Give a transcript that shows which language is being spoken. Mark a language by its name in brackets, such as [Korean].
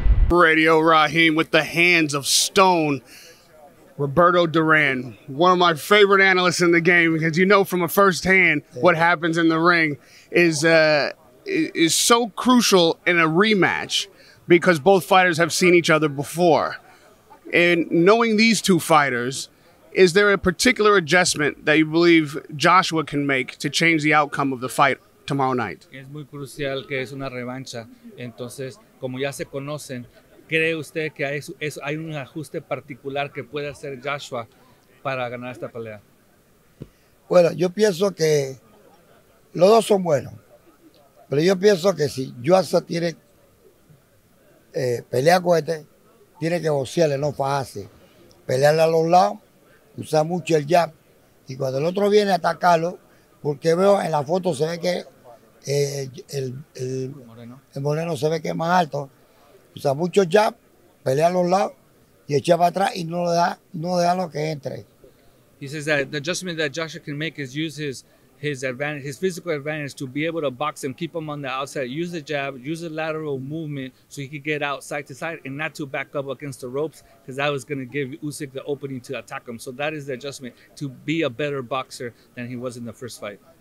[English] Radio Rahim with the hands of stone, Roberto Duran, one of my favorite analysts in the game, because you know from a first hand what happens in the ring is so crucial in a rematch, because both fighters have seen each other before. And knowing these two fighters, is there a particular adjustment that you believe Joshua can make to change the outcome of the fight tomorrow night? [Spanish] Es muy crucial que es una revancha. Entonces, como ya se conocen, ¿cree usted que hay un ajuste particular que puede hacer Joshua para ganar esta pelea? Bueno, yo pienso que los dos son buenos. Pero yo pienso que si Joshua tiene pelea con este, tiene que boxearle, no fajarse. Pelearle a los lados, usar mucho el jab. Y cuando el otro viene a atacarlo, porque veo en la foto, se ve que el moreno se ve que es más alto. Usa mucho jab, pelea a los lados, y echa para atrás y no le da lo que entre. [English] He says that the adjustment that Joshua can make is use his advantage, his physical advantage, to be able to box him, keep him on the outside, use the jab, use the lateral movement so he could get out side to side and not to back up against the ropes, because that was going to give Usyk the opening to attack him. So that is the adjustment to be a better boxer than he was in the first fight.